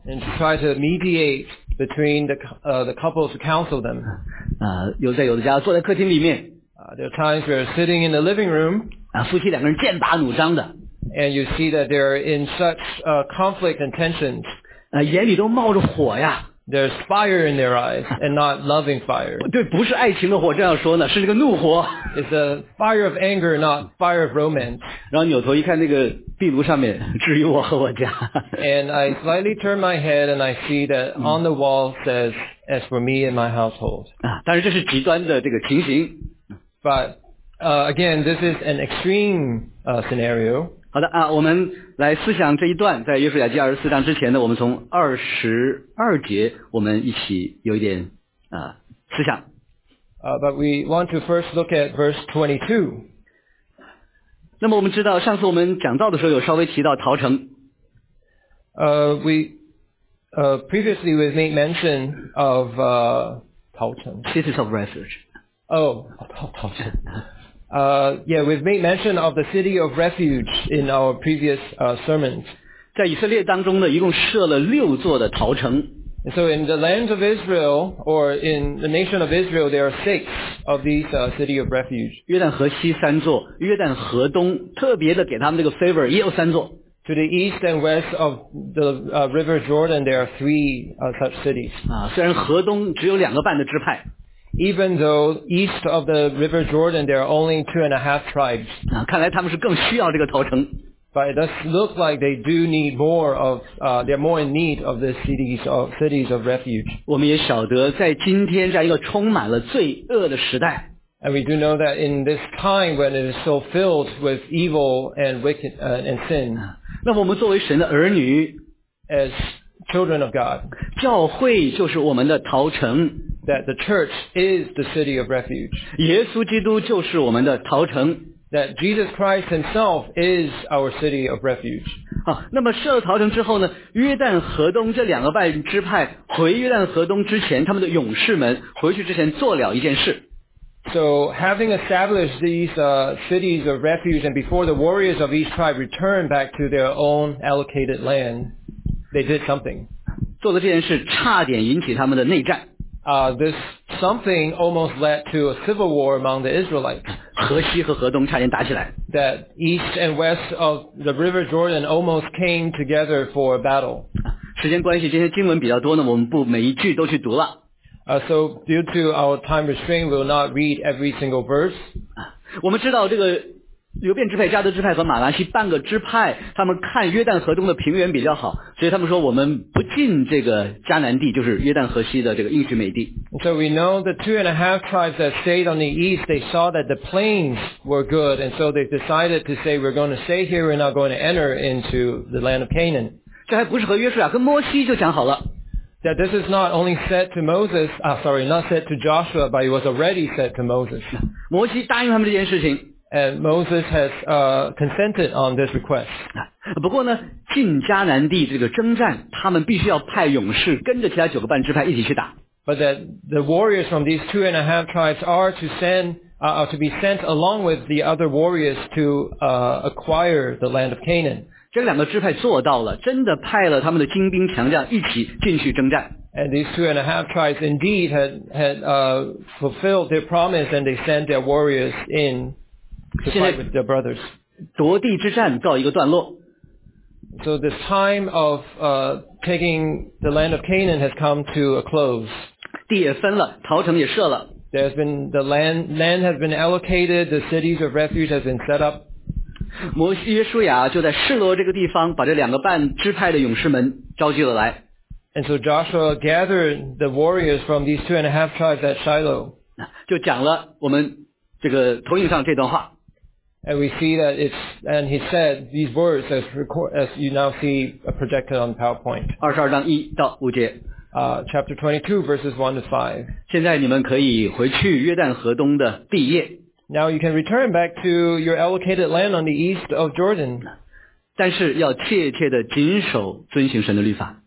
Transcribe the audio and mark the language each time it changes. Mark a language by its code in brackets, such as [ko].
[en] And to try to mediate between the couples to counsel them. [zh] 有在有的家坐在客厅里面。 [en] There are times we're sitting in the living room. [zh] 啊，夫妻两个人剑拔弩张的。 [en] And you see that they're in such conflict and tensions. [zh] 眼里都冒着火呀。 [en] There's fire in their eyes and not loving fire. [zh] 对，不是爱情的火，这样说呢，是这个怒火。 [en] It's a fire of anger, not fire of romance. [zh] 然后扭头一看，那个壁炉上面，至于我和我家。 [en] And I slightly turn my head and I see that on the wall says, "As for me and my household." [zh] 啊，但是这是极端的这个情形。 [en] But, again, this is an extreme, scenario. [zh] 好的啊，我们来思想这一段，在约书亚记二十四章之前呢，我们从二十二节，我们一起有一点思想。 [en] But we want to first look at verse 22. [zh] 那么我们知道，上次我们讲到的时候有稍微提到逃城。 [en] Previously we made mention of, 逃城。 Cities of refuge. Yeah, we've made mention of the city of refuge in our previous, sermons. [zh] 在以色列当中呢，一共设了六座的逃城。 [en] So in the land of Israel, or in the nation of Israel, there are six of these, city of refuge. [zh] 约旦河西三座，约旦河东，特别的给他们这个 favor, 也有三座。 [en] To the east and west of the, river Jordan, there are three, such cities. [zh] 啊，虽然河东只有两个半的支派。 [en] Even though east of the river Jordan, there are only 2.5 tribes. [zh] 啊，看来他们是更需要这个逃城。 [en] But it does look like they do need more of, they're more in need of the cities of refuge. [zh] 我们也晓得在今天这样一个充满了罪恶的时代。 [en] And we do know that in this time when it is so filled with evil and wicked, and sin. [zh] 那我们作为神的儿女。 [en] As children of God. [zh] 教会就是我们的逃城。 [en] That the church is the city of refuge. [zh] 耶稣基督就是我们的逃城。 [en] That Jesus Christ himself is our city of refuge. [zh] 好，那么设了逃城之后呢，约旦河东这两个半支派回约旦河东之前，他们的勇士们回去之前做了一件事。 [en] So having established these, cities of refuge and before the warriors of each tribe returned back to their own allocated land, they did something. [zh] 做的这件事差点引起他们的内战。 [en] This something almost led to a civil war among the Israelites. [zh] 河西和河东差点打起来。 [en] That east and west of the river Jordan almost came together for a battle. [zh] 时间关系，今天经文比较多呢，我们不每一句都去读了。 [en] So due to our time restraint, we'll not read every single verse. [zh] 我们知道这个流便支派、加德支派和马拿西半个支派，他们看约旦河东的平原比较好，所以他们说我们不进这个迦南地，就是约旦河西的这个应许美地。 [en] So we know the two and a half tribes that stayed on the east, they saw that the plains were good, and so they decided to say we're going to stay here, we're not going to enter into the land of Canaan. [zh] 这还不是和约书亚、跟摩西就讲好了。 [en] That this is not only said to Moses, not said to Joshua, but it was already said to Moses. [zh] 摩西答应他们这件事情。 [en] And Moses has consented on this request. [zh] 不过呢，进迦南地这个征战，他们必须要派勇士跟着其他九个半支派一起去打。 [en] But that the warriors from these two and a half tribes are to send, to be sent along with the other warriors to acquire the land of Canaan. [zh] 这两个支派做到了，真的派了他们的精兵强将一起进去征战。 [en] And these two and a half tribes indeed had fulfilled their promise, and they sent their warriors in. [zh] 现在夺地之战告一个段落。 [en] So this time of taking the land of Canaan has come to a close. [zh] 地也分了，逃城也设了。 [en] There's been the land has been allocated, the cities of refuge has been set up. [zh] 摩西约书亚就在示罗这个地方把这两个半支派的勇士们召集了来。 [en] And so Joshua gathered the warriors from these two and a half tribes at Shiloh. [zh] 就讲了我们这个投影上这段话。 [en] And we see that it's, and he said these words as you now see projected on PowerPoint. [zh] 22章1到5节。 [en] Chapter 22, verses 1 to 5. [zh] 现在你们可以回去约旦河东的地业。 [en] Now you can return back to your allocated land on the east of Jordan. [zh] 但是要切切地谨守遵行神的律法。